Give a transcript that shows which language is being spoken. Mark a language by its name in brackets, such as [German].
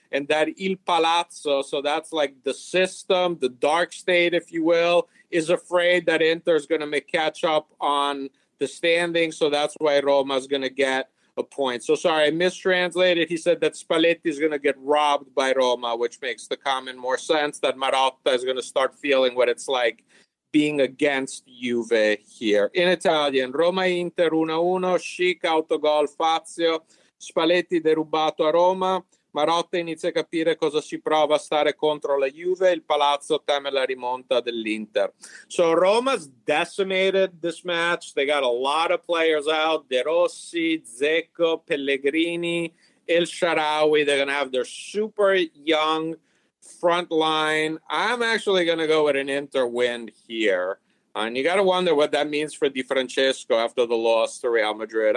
[English] And that Il Palazzo, so that's like the system, the dark state, if you will, is afraid that Inter is going to make catch up on the standing. So that's why Roma is going to get a point. So sorry, I mistranslated. He said that Spalletti is going to get robbed by Roma, which makes the comment more sense, that Marotta is going to start feeling what it's like being against Juve here. [Italian] In Italian, Roma-Inter 1-1, Schick autogol Fazio, Spalletti derubato a Roma, Marotta inizia a capire cosa si prova a stare contro la Juve, il Palazzo teme la rimonta dell'Inter. [English] So Roma's decimated this match. They got a lot of players out. De Rossi, Dzeko, Pellegrini, El Shaarawy. They're going to have their super young front line. I'm actually going to go with an Inter win here. And you got to wonder what that means for Di Francesco after the loss to Real Madrid.